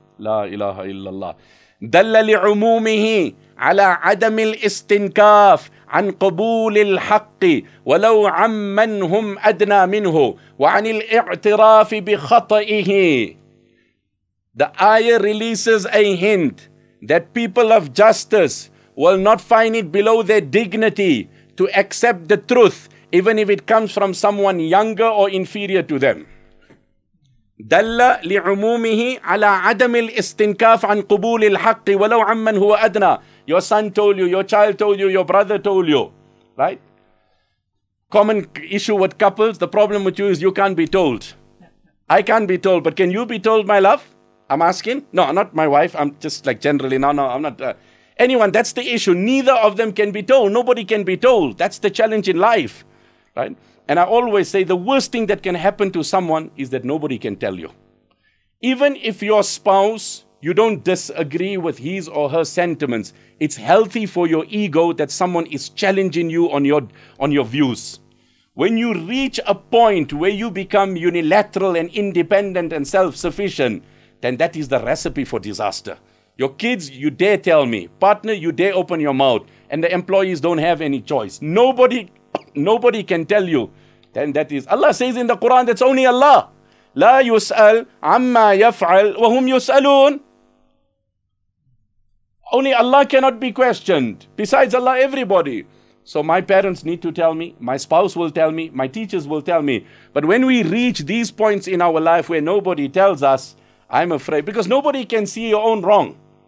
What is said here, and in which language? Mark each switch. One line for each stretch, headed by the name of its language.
Arabic: La ilaha illallah. دَلَّ لِعُمُومِهِ عَلَىٰ عَدَمِ الْإِسْتِنْكَافِ عَنْ قُبُولِ الْحَقِّ وَلَوْ عَمَّنْ هُمْ أَدْنَى مِنْهُ وَعَنِ الْإِعْتِرَافِ بِخَطَئِهِ.
English: The ayah releases a hint that people of justice will not find it below their dignity to accept the truth, even if it comes from someone younger or inferior to them.
Arabic: دل لعمومه على عدم الاستنكاف عن قبول الحق ولو عمن هو أدنى.
English: Your son told you, your child told you, your brother told you, right? Common issue with couples, the problem with you is you can't be told. I can't be told, but can you be told, my love? I'm asking. No, not my wife. I'm just like generally. No, I'm not. Anyone, that's the issue. Neither of them can be told. Nobody can be told. That's the challenge in life, right? And I always say the worst thing that can happen to someone is that nobody can tell you. Even if your spouse, you don't disagree with his or her sentiments, it's healthy for your ego that someone is challenging you on your views. When you reach a point where you become unilateral and independent and self-sufficient, then that is the recipe for disaster. Your kids, you dare tell me. Partner, you dare open your mouth. And the employees don't have any choice. Nobody can tell you. Then that is, Allah says in the Quran, that's only Allah.
Arabic: لا يسأل عما يفعل وهم يسألون.
English: Only Allah cannot be questioned. Besides Allah, everybody. So my parents need to tell me. My spouse will tell me. My teachers will tell me. But when we reach these points in our life where nobody tells us, I'm afraid, because nobody can see your own wrong.